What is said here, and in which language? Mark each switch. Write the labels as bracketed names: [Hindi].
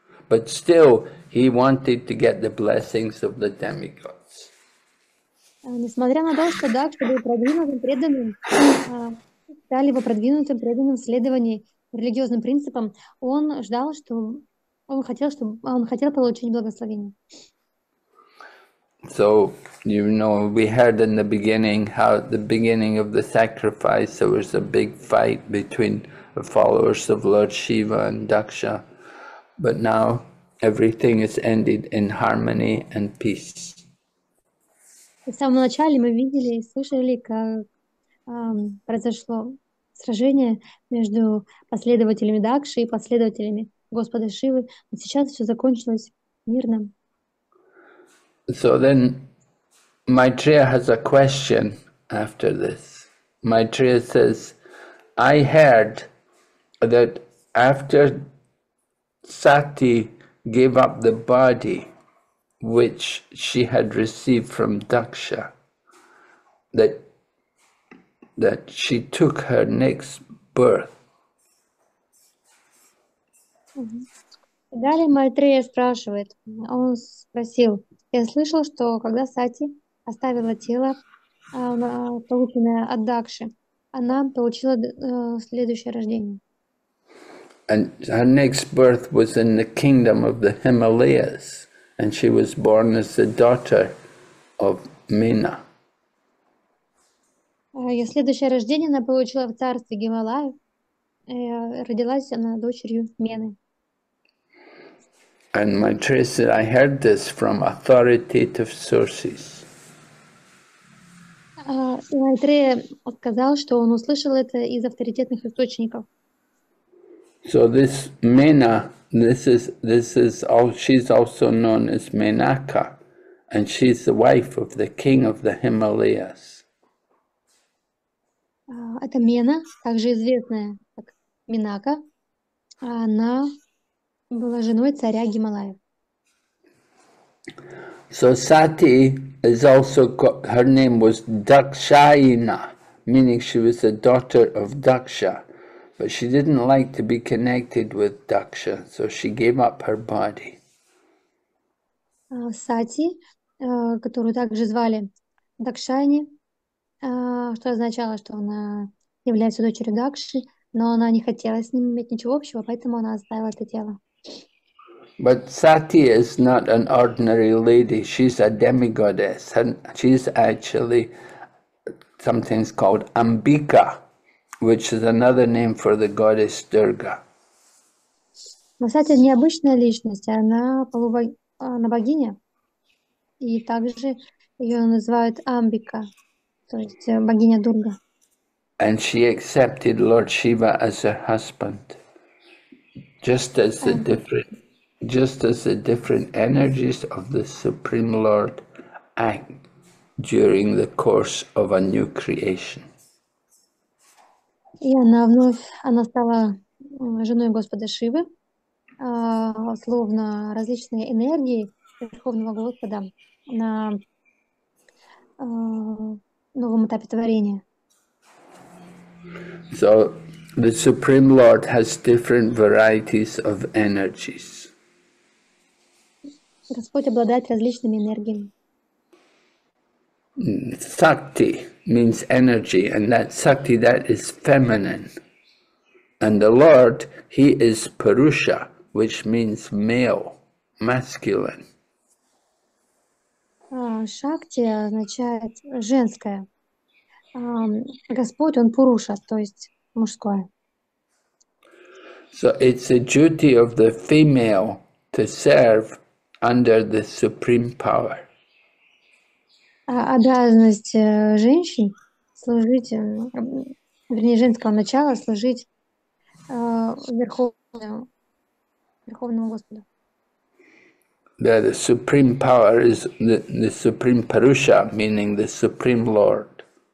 [English] But still, he wanted to get the blessings of the demigods. [Russian] Несмотря на то, что Дакша был продвинутым преданным, стали его продвинутым преданным следовании религиозным принципам, он ждал, что он хотел, чтобы он хотел получить благословение. [English] So, you know, we heard in the beginning how at the beginning of the sacrifice there was a big fight between the followers of Lord Shiva and Daksha. But now everything is ended in harmony and peace. [Russian] В самом начале мы видели и слышали, как произошло сражение между последователями Дакши и последователями Господа Шивы. Но сейчас все закончилось мирно. [English] So then, Maitreya has a question after this. Maitreya says, I heard that after Sati gave up the body which she had received from Daksha, that she took her next birth. [Russian] Далее Майтрея спрашивает, он спросил, я слышал, что когда Сати оставила тело, полученное от Дакши, она получила следующее рождение. [English] And her next birth was in the kingdom of the Himalayas, and she was born as the daughter of Mina. [Russian] Ее следующее рождение она получила в царстве Гималаев, родилась она дочерью Мены. [English] And Maitreya said, I heard this from authoritative sources. [Russian] Maitreya сказал, что он услышал это из авторитетных источников. [English] So this Mena, this is all, she's also known as Menaka, and she's the wife of the king of the Himalayas. [Russian] Это Мена, также известная как Менака, она была женой царя Гималаев. [English] So Sati is also, her name was Dakshayina, meaning she was the daughter of Daksha. But she didn't like to be connected with Daksha, so she gave up her body. [Russian] Сати, которую также звали Дакшайни, что означало, что она является дочерью Дакши, но она не хотела с ним иметь ничего общего, поэтому она оставила это тело. [English] But Sati is not an ordinary lady, she's a demigoddess, and she's actually something called Ambika, which is another name for the goddess Durga. [Russian] Но Сати необычная личность, она богиня, и также ее называют Амбика, то есть богиня Дурга. [English] And she accepted Lord Shiva as her husband, just as the different energies of the Supreme Lord act during the course of a new creation. [Russian] И она стала женой Господа Шивы, словно различные энергии Верховного Господа на новом этапе творения. [English] So, the Supreme Lord has different varieties of energies. [Russian] Господь обладает различными энергиями. [English] Sakti means energy, and that Sakti, that is feminine. And the Lord, he is Purusha, which means male, masculine. [Russian] Шакти означает женское. Господь, он Пуруша, то есть мужское. [English] So it's a duty of the female to serve under the supreme power. [Russian] Обязанность женщин служить, вернее, женского начала служить Верховному Господу. [English] Yeah, the supreme power is the supreme Purusha, meaning the supreme Lord.